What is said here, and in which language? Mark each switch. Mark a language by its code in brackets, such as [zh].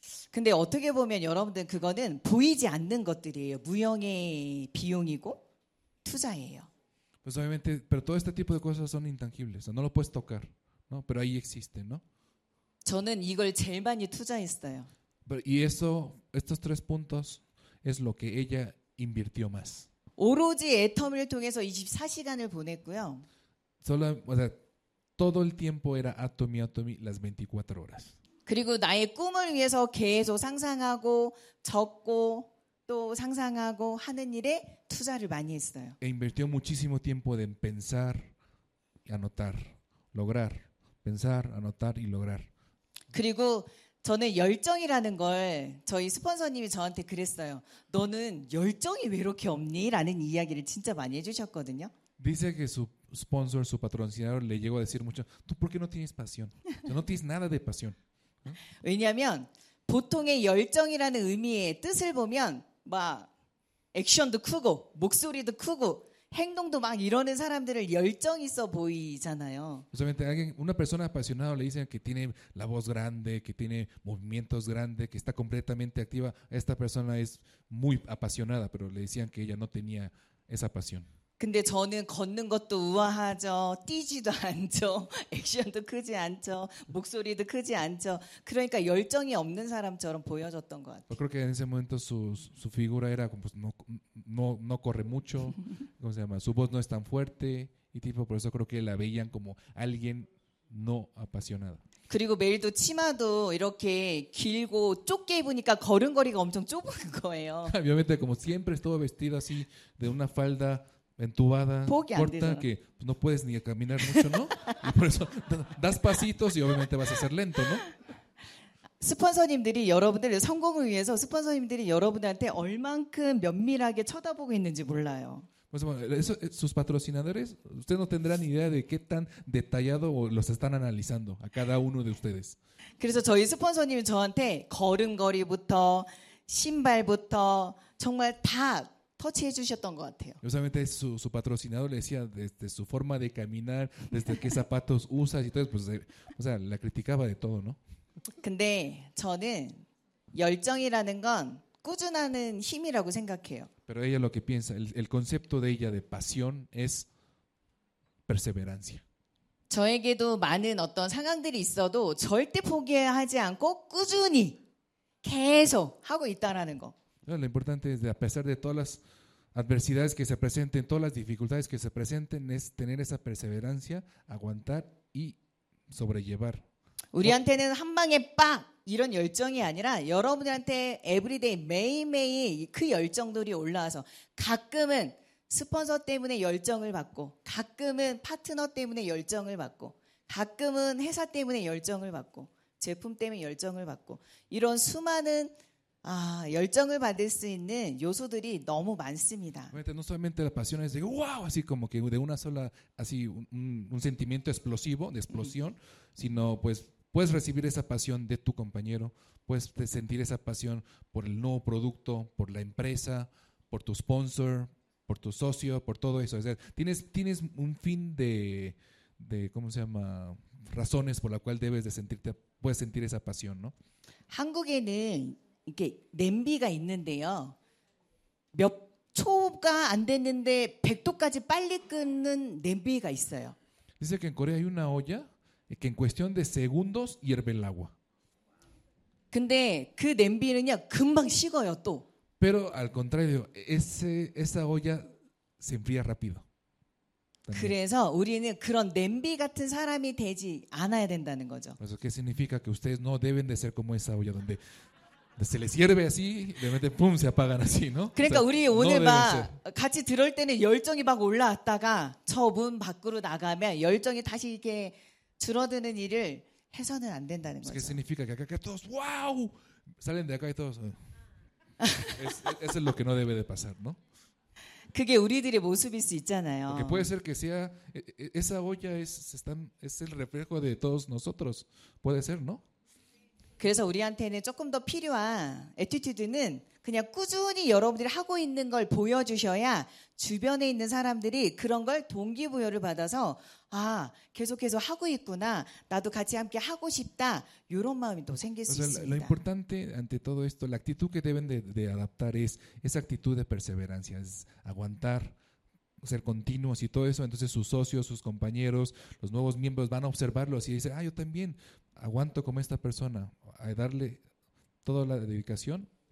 [ko] 근데 어떻게 보면 여러분들 그거는 보이지 않는 것들이에요. 무형의 비용이고 투자예요. [es] Pues obviamente, pero todo este tipo de cosas son intangibles, no lo puedes tocar, ¿no? Pero ahí existe, ¿no? [ko] 저는 이걸 제일 많이 투자했어요. [es] Pero y eso, estos tres puntos es lo que ella invirtió más. [ko] 오로지 애텀을 통해서 24시간을 보냈고요. [es] Solo, o sea, todo el tiempo era Atomy, Atomy, las 24 horas. [ko] 그리고 나의 꿈을 위해서 계속 상상하고 적고 또 상상하고 하는 일에 투자를 많이 했어요. [es] E invirtió muchísimo tiempo en pensar, anotar, lograr, pensar, anotar y lograr. [ko] 그리고 저는 열정이라는 걸 저희 스폰서님이 저한테 그랬어요. 너는 열정이 왜 이렇게 없니? 라는 이야기를 진짜 많이 해주셨거든요. [es] Dice que su sponsor, su patrocinador le llegó a decir mucho, ¿tú por qué no tienes pasión? No tienes nada de pasión. [ko] 왜냐하면 보통의 열정이라는 의미의 뜻을 보면 막 액션도 크고 목소리도 크고 행동도 막 이러는 사람들을 열정 있어 보이잖아요. [es] Usualmente alguien, una persona apasionada le dicen que tiene la voz grande, que tiene movimientos grandes, que está completamente activa. Esta persona es muy apasionada, pero le decían que ella no tenía esa pasión. [ko] 근데 저는 걷는 것도 우아하죠. 뛰지도 않죠. 액션도 크지 않죠. 목소리도 크지 않죠. 그러니까 열정이 없는 사람처럼 보여졌던 것 같아요. [es] Creo que en ese momento su figura era como no corre mucho. ¿Cómo se llama? Su voz no es tan fuerte y tipo por eso creo que la veían como alguien no apasionada. [ko] 그리고 매일도 치마도 이렇게 길고 좁게 입으니까 걸음걸이가 엄청 좁은 거예요. [es] Obviamente como siempre estuvo vestido así de una falda entubada, corta, que no puedes ni caminar mucho, ¿no? Y por eso das pasitos y obviamente vas a ser lento, ¿no? [ko] 스폰서님들이 여러분들 성공을 위해서 스폰서님들이 여러분들한테 얼만큼 면밀하게 쳐다보고 있는지 몰라요. [es] Pues eso, sus patrocinadores, ustedes no tendrán idea de qué tan detallado los están analizando a cada uno de ustedes. [ko] 그래서 저희 스폰서님이 저한테 걸음걸이부터 신발부터 정말 다 터치해 주셨던 것 같아요. [es] Usualmente su patrocinador le decía desde su forma de caminar, desde qué zapatos usas y todo, pues, o sea, la criticaba de todo, ¿no? [ko] 근데 저는 열정이라는 건 꾸준한 힘이라고 생각해요. [es] Pero ella lo que piensa, el concepto de ella de pasión es perseverancia. [ko] 저에게도 많은 어떤 상황들이 있어도 절대 포기하지 않고 꾸준히 계속 하고 있다라는 거. [es] Lo importante es, a pesar de todas las adversidades que se presenten, todas las dificultades que se presenten, es tener esa perseverancia, aguantar y sobrellevar. [ko] 우리한테는 한 방에 빡 이런 열정이 아니라 여러분들한테 everyday 매일매일 그 열정들이 올라와서 가끔은 스폰서 때문에 열정을 받고 가끔은 파트너 때문에 열정을 받고 가끔은 회사 때문에 열정을 받고 제품 때문에 열정을 받고 이런 수많은 아, 열정을 받을 수 있는 요소들이 너무 많습니다. [es] No solamente las pasiones de wow, así como que de una sola así un sentimiento explosivo, de explosión, sino pues puedes recibir esa pasión de tu compañero, puedes sentir esa pasión por el nuevo producto, por la empresa, por tu sponsor, por tu socio, por todo eso. O sea, tienes un fin de ¿cómo se llama? Razones por la cual debes de sentirte puedes sentir esa pasión, ¿no? [ko] 한국에는 이게 냄비가 있는데요. 몇 초가 안 됐는데 100도까지 빨리 끓는 냄비가 있어요. [es] Dice que en Corea hay una olla que en cuestión de segundos hierve el agua. [ko] 근데 그 냄비는요 금방 식어요 또. [es] Pero al contrario, esa olla se enfría rápido. También. [ko] 그래서 우리는 그런 냄비 같은 사람이 되지 않아야 된다는 거죠. [es] Eso que significa que ustedes no deben de ser como esa olla donde se les hierve así, de repente pum se apagan así, ¿no? [ko] 그러니까 우리 오늘 막 같이 들을 때는 열정이 막 올라왔다가 저 문 밖으로 나가면 열정이 다시 이렇게 줄어드는 일을 해서는 안 된다는 거죠. [es] Que significa que acá todos wow, salen de acá y todos eso es lo que no debe de pasar, ¿no? [ko] 그게 우리들의 모습일 수 있잖아요. [es] Que puede ser que sea esa olla es el reflejo de todos nosotros. Puede ser, ¿no? [ko] 그래서 우리한테는 조금 더 필요한 애티튜드는 그냥 꾸준히 여러분들이 하고 있는 걸 보여주셔야 주변에 있는 사람들이 그런 걸 동기부여를 받아서 아 계속해서 하고 있구나 나도 같이 함께 하고 싶다 이런 마음이 또 생길 수 있습니다. [es] Lo importante ante todo esto, la actitud que deben de adaptar es esa actitud de perseverancia, es aguantar, ser continuos y todo eso. Entonces sus socios, sus compañeros, los nuevos miembros van a observarlos y dicen, ah, yo también aguanto como esta persona, a darle toda la dedicación.